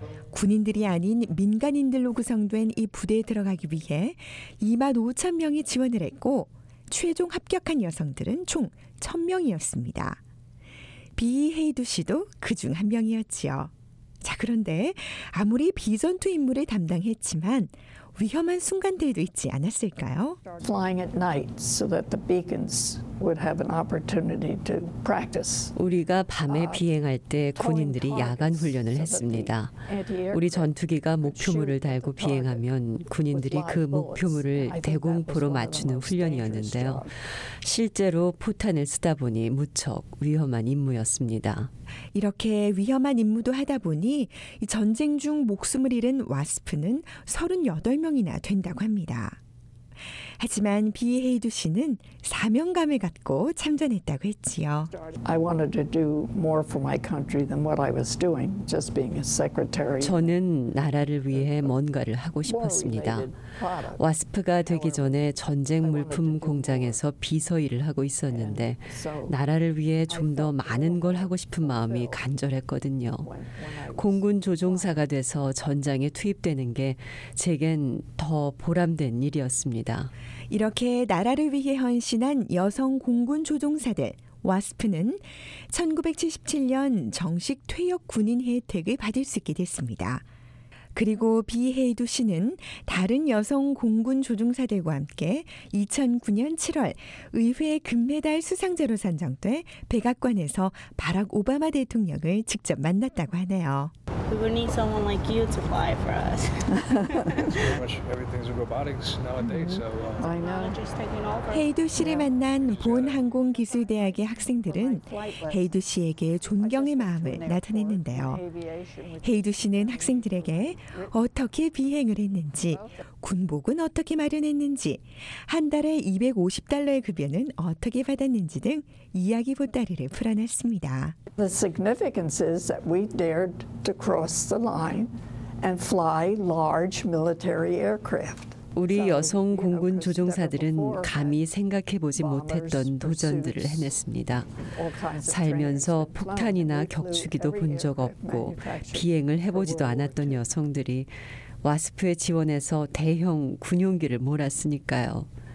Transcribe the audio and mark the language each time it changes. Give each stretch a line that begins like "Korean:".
Korean: 군인들이 아닌 민간인들로 구성된 이 부대에 들어가기 위해 2만 5천 명이 지원을 했고 최종 합격한 여성들은 총 1,000명이었습니다. 비 헤이드 씨도 그중 한 명이었지요. 자, 그런데 아무리 비전투 임무를 담당했지만 위험한 순간들도 있지 않았을까요?
English: Flying at night so that the beacons would have an opportunity to practice.
Korean: 우리가 밤에 비행할 때 군인들이 야간 훈련을 했습니다. 우리 전투기가 목표물을 달고 비행하면 군인들이 그 목표물을 대공포로 맞추는 훈련이었는데요. 실제로 포탄을 쓰다 보니 무척 위험한 임무였습니다. 이렇게 위험한 임무도 하다 보니 전쟁 중 목숨을 잃은 와스프는 38명이나 된다고 합니다. 하지만 비 헤이드 씨는 사명감을 갖고 참전했다고 했지요.
English: I wanted to do more for my country than what I was doing, just being a secretary.
Korean: 저는 나라를 위해 뭔가를 하고 싶었습니다. 와스프가 되기 전에 전쟁 물품 공장에서 비서 일을 하고 있었는데 나라를 위해 좀 더 많은 걸 하고 싶은 마음이 간절했거든요. 공군 조종사가 돼서 전장에 투입되는 게 제겐 더 보람된 일이었습니다. 이렇게 나라를 위해 헌신한 여성 공군 조종사들, 와스프는 1977년 정식 퇴역 군인 혜택을 받을 수 있게 됐습니다. 그리고 비 헤이드 씨는 다른 여성 공군 조종사들과 함께 2009년 7월 의회 금메달 수상자로 선정돼 백악관에서 바락 오바마 대통령을 직접 만났다고 하네요.
English: We need someone like you to fly for us. Everything's robotics nowadays, so I know.
Korean: 헤이드 씨를 만난 본 항공기술대학의 학생들은 헤이드 씨에게 존경의 마음을 나타냈는데요. 헤이드 씨는 학생들에게 어떻게 비행을 했는지, 군복은 어떻게 마련했는지, 한 달에 250달러의 급여는 어떻게 받았는지 등 이야기 보따리를 풀어놨습니다.
English: The significance is that we dared to cross the line and fly large military aircraft.
Korean: 우리 여성 공군 조종사들은 감히 생각해보지 못했던 도전들을 해냈습니다. 살면서 폭탄이나 격추기도 본 적 없고 비행을 해보지도 않았던 여성들이 와스프에 지원해서 대형 군용기를 몰았으니까요.